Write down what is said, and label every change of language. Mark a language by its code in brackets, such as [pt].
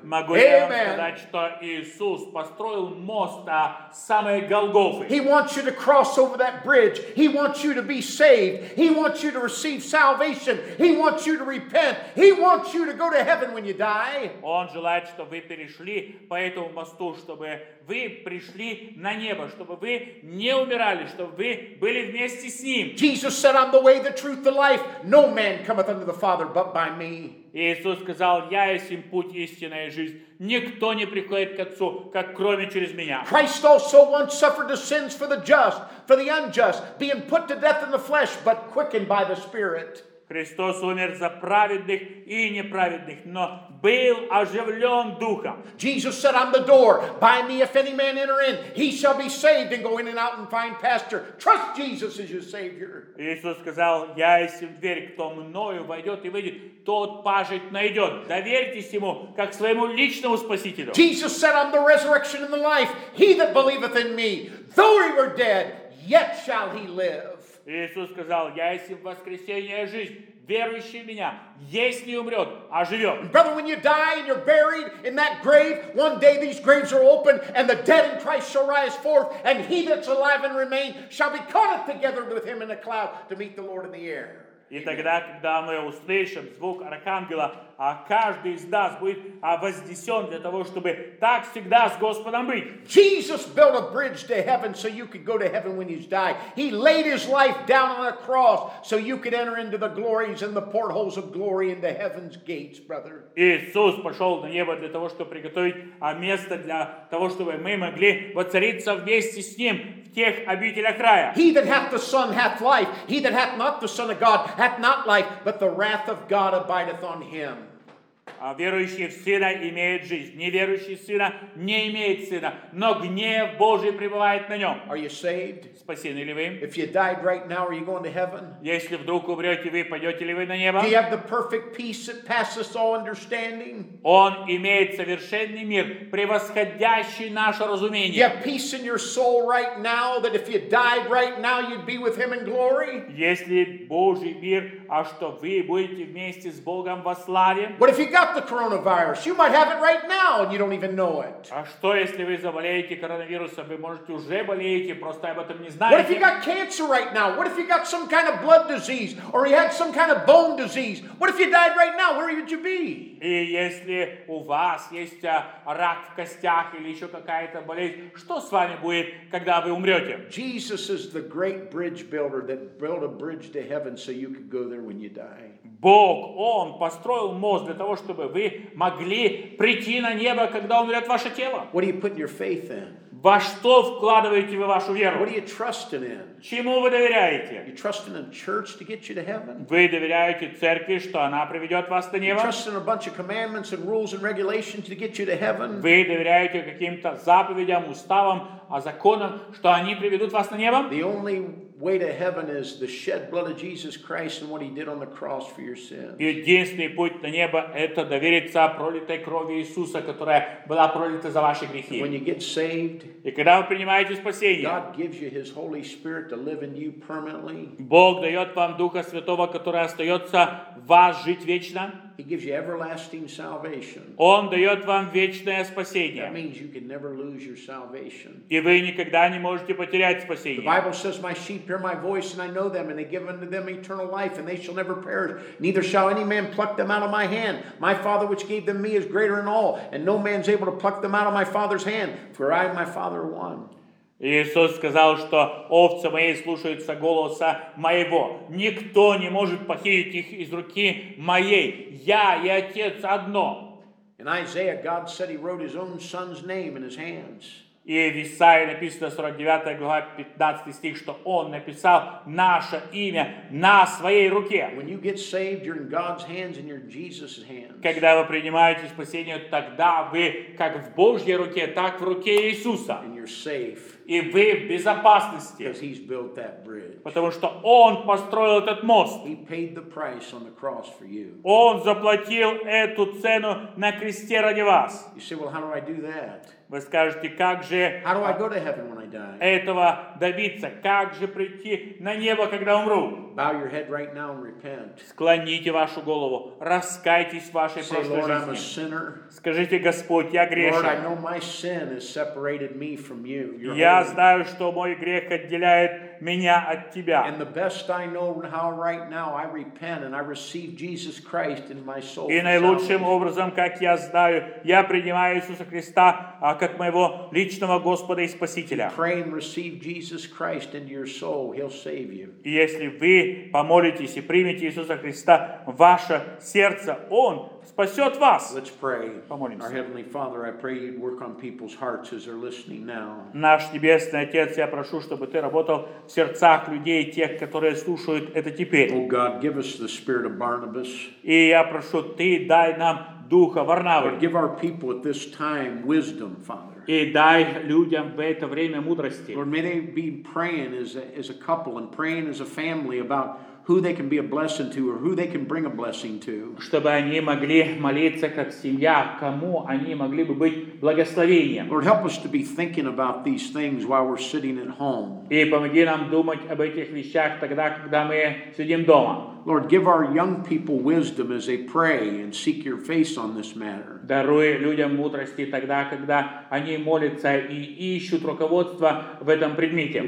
[ru] Могу я вам сказать, что Иисус построил мост до самой Голгофы. [en] He wants you to cross over that bridge. He wants you to be saved. He wants you to receive salvation. He wants you to repent. He wants you to go to heaven when you die. [ru] Он желает, чтобы вы перешли по этому мосту, чтобы вы пришли на небо, чтобы вы не умирали, чтобы вы были вместе с Ним. [en] Jesus said, I'm the way, the truth, the life. No man cometh unto the Father but by me. [ru] Иисус сказал, я есть им путь, истинная жизнь. Никто не приходит к Отцу, как кроме через меня. [en] Christ also once suffered the sins for the just, for the unjust, being put to death in the flesh, but quickened by the Spirit. [ru] Христос умер за праведных и неправедных, но был оживлен Духом. [en] Jesus said, I'm the door. By me, if any man enter in, he shall be saved and go in and out and find pasture. Trust Jesus as your Savior. [ru] Иисус сказал, я есть дверь, кто мною войдет и выйдет, тот пажить найдет. Доверьтесь ему, как своему личному спасителю. [en] Jesus said, I'm the resurrection and the life. He that believeth in me, though he were dead, yet shall he live. [ru] Иисус сказал, я есть воскресение и жизнь. Верующий в меня, если умрет, оживет. [en] Brother, when you die and you're buried in that grave, one day these graves are open and the dead in Christ shall rise forth, and he that's alive and remain shall be caught up together with him in a cloud to meet the Lord in the air. [ru] И тогда, когда мы услышим звук Архангела, а каждый из нас будет вознесен для того, чтобы так всегда с Господом быть. [en] Jesus built a bridge to heaven so you could go to heaven when you die. He laid his life down on a cross so you could enter into the glories and the portholes of glory into heaven's gates, brother. [ru] Иисус пошел на небо для того, чтобы приготовить место для того, чтобы мы могли воцариться вместе с ним. [en] He that hath the Son hath life. He that hath not the Son of God hath not life, but the wrath of God abideth on him. [ru] А верующий в Сына имеет жизнь. Неверующий Сына не имеет Сына. Но гнев Божий пребывает на нем. [en] Are you saved? [ru] Спасены ли вы? [en] If you died right now, are you going to heaven? [ru] Если вдруг умрете вы, пойдете ли вы на небо? [en] Do you have the perfect peace that passes all understanding? [ru] Он имеет совершенный мир, превосходящий наше разумение. [en] You have peace in your soul right now, that if you died right now, you'd be with him in glory? [ru] Если Божий мир, а что вы будете вместе с Богом во славе? [en] What if you got the coronavirus? You might have it right now and you don't even know it. [ru] А что если вы заболеете коронавирусом? Вы можете уже болеете, просто об этом не знаете. [en] What if you got cancer right now? What if you got some kind of blood disease? Or you had some kind of bone disease? What if you died right now? Where would you be? [ru] И если у вас есть рак в костях или еще какая-то болезнь, что с вами будет, когда вы умрете? [en] Jesus is the great bridge builder that built a bridge to heaven so you could go there when you die. [ru] Бог, Он построил мост для того, чтобы вы могли прийти на небо, когда умрет ваше тело. [en] What are you putting your faith in? [ru] Во что вкладываете вы вашу веру? [en] What are you trusting in? [ru] Чему вы доверяете? [en] You trusting in church to get you to heaven? [ru] Вы доверяете церкви, что она приведет вас до неба? [en] You trusting in a bunch of commandments and rules and regulations to get you to heaven? [ru] Вы доверяете каким-то заповедям, уставам, законам, что они приведут вас на небо? [en] The only way to heaven is the shed blood of Jesus Christ and what He did on the cross for your sins. [ru] Единственный путь на небо – это довериться пролитой крови Иисуса, которая была пролита за ваши грехи. [en] When you get saved, [ru] и когда вы принимаете спасение, [en] God gives you His Holy Spirit to live in you permanently. [ru] Бог дает вам Духа Святого, который остается в вас жить вечно. [en] He gives you everlasting salvation. [ru] Он дает вам вечное спасение. [en] That means you can never lose your salvation. [ru] И вы никогда не можете потерять спасение. [en] The Bible says, "My sheep hear my voice, and I know them, and they give unto them eternal life, and they shall never perish. Neither shall any man pluck them out of my hand. My Father, which gave them me, is greater than all, and no man is able to pluck them out of my Father's hand, for I and my Father are one." [ru] Иисус сказал, что овцы мои слушаются голоса моего. Никто не может похитить их из руки моей. Я и Отец одно. [en] In Isaiah, God said He wrote His own Son's name in His hands. [ru] И в Исаии написано 49 глава 15 стих, что Он написал наше имя на своей руке. [en] When you get saved, you're in God's hands and you're in Jesus' hands. [ru] Когда вы принимаете спасение, тогда вы как в Божьей руке, так в руке Иисуса. [en] And you're safe. [ru] И вы в безопасности. [en] Because He's built that bridge. [ru] Потому что Он построил этот мост. [en] He paid the price on the cross for you. [ru] Он заплатил эту цену на кресте ради вас. [en] You say, well, how do I do that? [ru] Вы скажете, как же [en] how do I go to heaven when I die? [ru] Этого добиться? Как же прийти на небо, когда умру? [en] Bow your head right now and repent. [ru] Склоните вашу голову. Раскайтесь в вашей [en] say, [ru] прошлой [en] Lord, [ru] жизни. [en] I'm a sinner. [ru] Скажите, Господь, я грешен. [en] Lord, I know my sin has separated me from you. [ru] Я знаю, что мой грех отделяет меня от Тебя. [en] And the best I know how right now I repent and I receive Jesus Christ in my soul. [ru] И наилучшим образом, как я знаю, я принимаю Иисуса Христа как моего личного Господа и Спасителя. [en] Pray and receive Jesus Christ into your soul. He'll save you. [ru] И если вы помолитесь и примете Иисуса Христа в ваше сердце, Он спасет вас. [en] Let's pray. [ru] Помолимся. [en] Our Heavenly Father, I pray You'd work on people's hearts as they're listening now. [ru] Наш Небесный Отец, я прошу, чтобы Ты работал в сердцах людей, тех, которые слушают это теперь. [en] Oh God, give us the spirit of Barnabas. [ru] И я прошу, Ты дай нам Духа Варнавы. [en] Give our people at this time wisdom, Father. [ru] И дай людям в это время мудрости. [en] Lord, may they be praying as a couple and praying as a family about who they can be a blessing to or who they can bring a blessing to. [ru] Чтобы они могли молиться как семья, кому они могли бы быть благословением. [en] Lord, help us to be thinking about these things while we're sitting at home. [ru] И помоги нам думать об этих вещах тогда, когда мы сидим дома. [en] Lord, give our young people wisdom as they pray and seek Your face on this matter. [ru] Даруй людям мудрости тогда, когда они молятся и ищут руководство в этом предмете.